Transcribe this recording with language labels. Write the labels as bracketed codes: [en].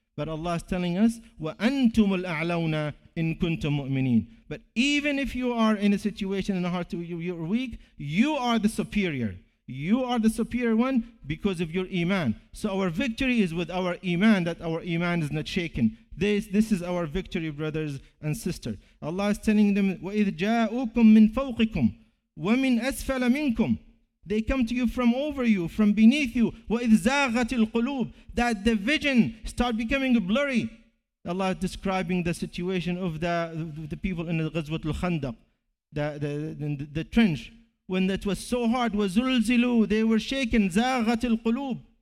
[en] But Allah is telling us, [ar] وَأَنْتُمُ الْأَعْلَوْنَا إِن كُنْتُمْ مُؤْمِنِينَ. [en] But even if you are in a situation in the heart, you're weak, you are the superior. You are the superior one because of your iman. So our victory is with our iman, that our iman is not shaken. This is our victory, brothers and sisters. Allah is telling them, [ar] وَإِذْ جَاءُكُمْ مِنْ فَوْقِكُمْ وَمِنْ أَسْفَلَ مِنْكُمْ. [en] They come to you from over you, from beneath you. [ar] وَإِذْ زَاغَتِ الْقُلُوبِ. [en] That the vision start becoming blurry. Allah is describing the situation of the people in the Ghazwat al-Khandaq, the trench. When that was so hard, was zulzilu, they were shaken, zaghat al qulub.